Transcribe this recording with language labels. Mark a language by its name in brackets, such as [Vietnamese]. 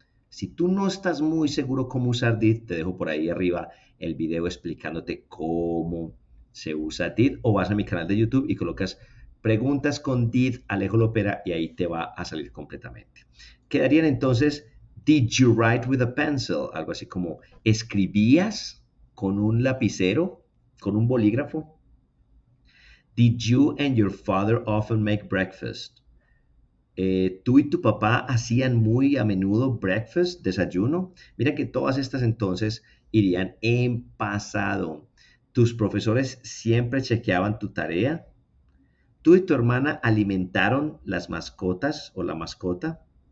[Spanish] Si tú no estás muy seguro cómo usar did, te dejo por ahí arriba el video explicándote cómo se usa did, o vas a mi canal de YouTube y colocas preguntas con did Alejo Lopera y ahí te va a salir completamente. Quedarían entonces, [English] did you write with a pencil? [Spanish] Algo así como, ¿escribías con un lapicero, con un bolígrafo? [English] Did you and your father often make breakfast? [Spanish] ¿Tú y tu papá hacían muy a menudo breakfast, desayuno? Mira que todas estas entonces irían en pasado. ¿Tus profesores siempre chequeaban tu tarea? ¿Tú y tu hermana alimentaron las mascotas o la mascota?